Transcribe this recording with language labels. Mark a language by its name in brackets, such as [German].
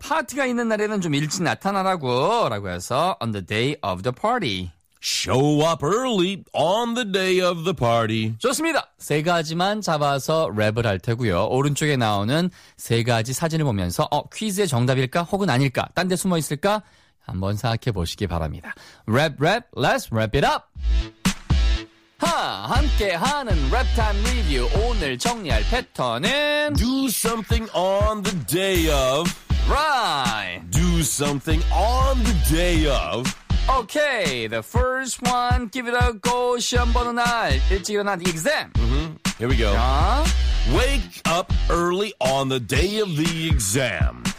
[Korean] 파티가 있는 날에는 좀 일찍 나타나라고 라고 해서 [English] on the day of the party. Show up early on the day of the party. [Korean] 좋습니다. 세 가지만 잡아서 랩을 할 테고요. 오른쪽에 나오는 세 가지 사진을 보면서 퀴즈의 정답일까 혹은 아닐까 딴 데 숨어 있을까 한번 생각해 보시기 바랍니다. [English] Rap, let's wrap it up. [Korean] 함께하는 랩타임 리뷰 오늘 정리할 패턴은 [English] Do something on the day of Right Do something on the day of Okay, the first one Give it a go [Korean] 시험 보는 날 일찍 일어나 [English] the exam mm-hmm. Here we go Wake up early on the day of the exam